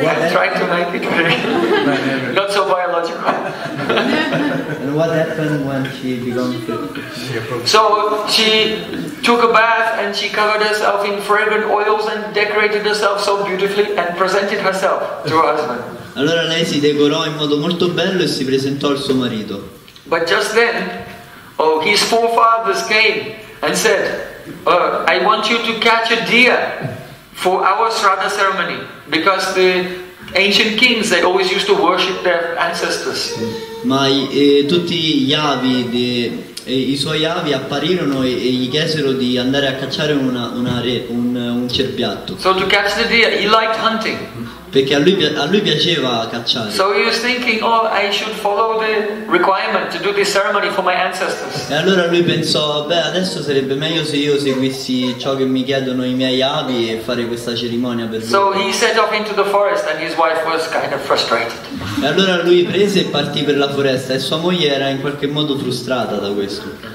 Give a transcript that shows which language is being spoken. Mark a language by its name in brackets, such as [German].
[English] trying to make it not so biological. And what happened when she began to? So she took a bath and she covered herself in fragrant oils and decorated herself so beautifully and presented herself to her husband. [Italian] Allora lei si decorò in modo molto bello e si presentò al suo marito. [English] But just then, his forefathers came and said, I want you to catch a deer for our Shraddha ceremony, because the ancient kings, they always used to worship their ancestors. [Italian] Ma tutti gli avi, i suoi avi apparirono e gli chiesero di andare a cacciare un cerbiatto. [English] So to catch the deer, he liked hunting. [Italian] Perché a lui piaceva cacciare. [English] So he was thinking, I should follow the requirement to do this ceremony for my ancestors. [Italian] E allora lui pensò, beh, adesso sarebbe meglio se io seguissi ciò che mi chiedono i miei avi e fare questa cerimonia per loro. [English] So he set off into the forest and his wife was kind of frustrated. [Italian] E allora lui prese e partì per la foresta e sua moglie era in qualche modo frustrata da questo.